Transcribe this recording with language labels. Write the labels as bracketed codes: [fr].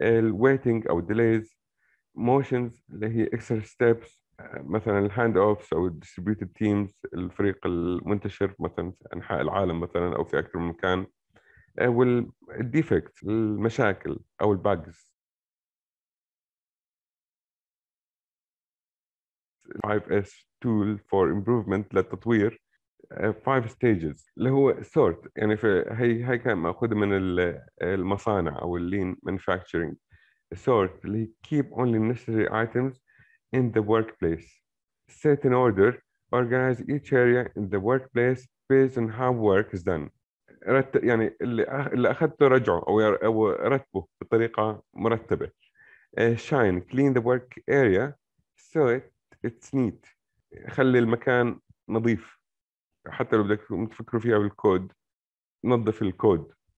[ar] waiting أو delays، motions اللي هي [en] extra steps [ar] مثلا ال handoffs أو [en] distributed teams [ar] الفريق المنتشر مثلا أنحاء العالم مثلا أو في أكثر من مكان، والديفكت المشاكل أو الباجز. [en] 5S tool for improvement [ar] للتطوير، 5 stages اللي هو sort، يعني في هي كان مأخوذ من المصانع أو [en] lean manufacturing. sort اللي keep only necessary items in the workplace، set in order، organize each area in the workplace based on how work is done. [ar] يعني اللي أخذته رجعه أو رتبه بطريقة مرتبة. [en] shine clean the work area so it's neat، [ar] خلي المكان نظيف حتى لو بدك تفكروا فيها بالكود، نظف الكود.